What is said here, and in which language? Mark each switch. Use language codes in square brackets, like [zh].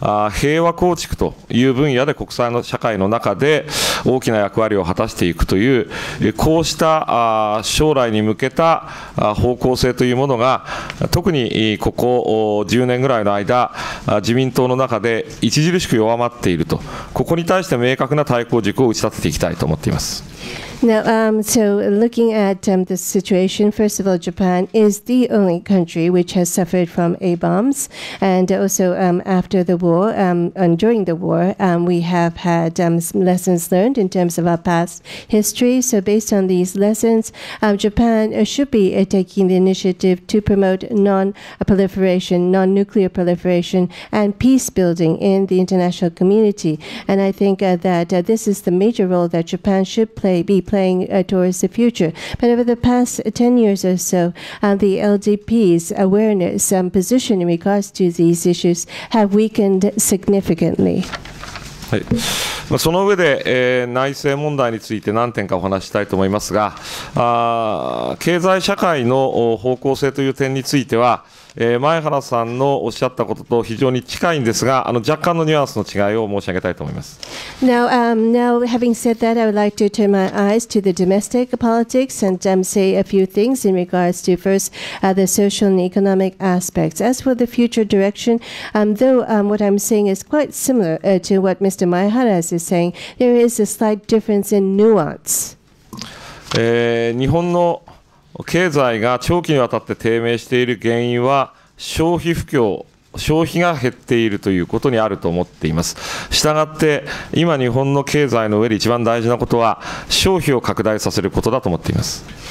[ja] 平和構築という分野で国際の社会の中で大きな役割を果たしていくという、こうした将来に向けた方向性というものが、特にここ10年ぐらいの間、自民党の中で著しく弱まっていると、ここに対して明確な対抗軸を打ち立てていきたいと思っています。 [en] Now, so looking at the situation, first of all, Japan is the only country which has suffered from A-bombs. And also after the war, and during the war, we have had some lessons learned in terms of our past history. So based on these lessons, Japan should be taking the initiative to promote non-proliferation, non-nuclear proliferation, and peace building in the international community. And I think that this is the major role that Japan should play, beplaying towards the future. But over the past 10 years or so, the LDP's awareness and position in regards to these issues have weakened significantly. [ja] はい、その上で、内政問題について何点かお話したいと思いますが、経済社会の方向性という点については、前原さんのおっしゃったことと非常に近いんですが、若干のニュアンスの違いを申し上げたいと思います。 [en] Now, having said that, I would like to turn my eyes to the domestic politics and say a few things in regards to first the social and economic aspects. As for the future direction, what I'm saying is quite similar to what Mr. Maeharas is saying, there is a slight difference in nuance. [ja] 日本の経済が長期にわたって低迷している原因は消費不況、消費が減っているということにあると思っています。したがって今日本の経済の上で一番大事なことは消費を拡大させることだと思っています。